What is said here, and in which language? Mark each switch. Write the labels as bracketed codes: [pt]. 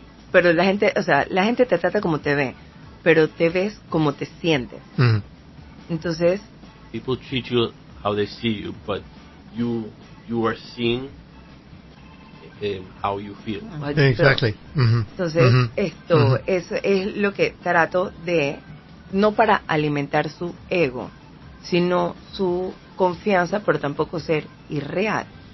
[es] Pero la gente, o sea, la gente te trata como te ve, pero te ves como te sientes. Mm-hmm. Entonces, [en] people treat you how they see you, but you are seen how you feel. Exactly. Mm-hmm. [es] Entonces, mm-hmm, esto, mm-hmm, eso es lo que trato de, no para alimentar su ego, sino su confianza, pero tampoco ser irreal.